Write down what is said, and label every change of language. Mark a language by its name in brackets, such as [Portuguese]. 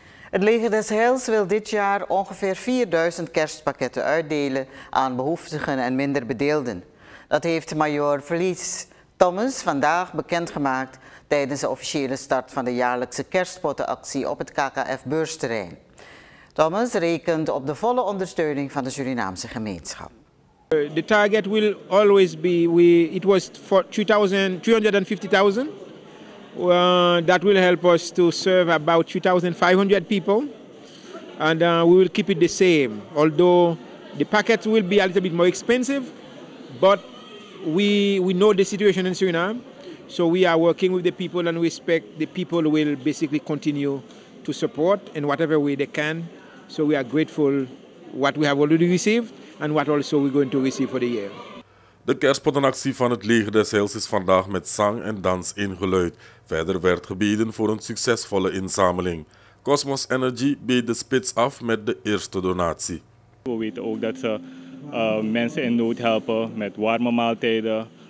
[Dutch] Het Leger des Heils wil dit jaar ongeveer 4000 kerstpakketten uitdelen aan behoeftigen en minder bedeelden. Dat heeft majoor Verlies Thomas vandaag bekendgemaakt tijdens de officiële start van de jaarlijkse kerstpottenactie op het KKF-beursterrein. Thomas rekent op de volle ondersteuning van de Surinaamse gemeenschap. [English] The target will always be it was for 250,000. That will help us to serve about 2,500 people. And we will keep it the same. Although the packet will be a little bit more expensive, but we know the situation in Suriname, so we are working with the people and we expect the people will basically continue to support in whatever way they can. So we are grateful what we have already received and what also we're going to receive for the year. [Dutch] De kerstpottenactie van het Leger des Heils is vandaag met zang en dans ingeluid. Verder werd gebeden voor een succesvolle inzameling. Cosmos Energy beet de spits af met de eerste donatie. We weten ook dat ze mensen in nood helpen met warme maaltijden.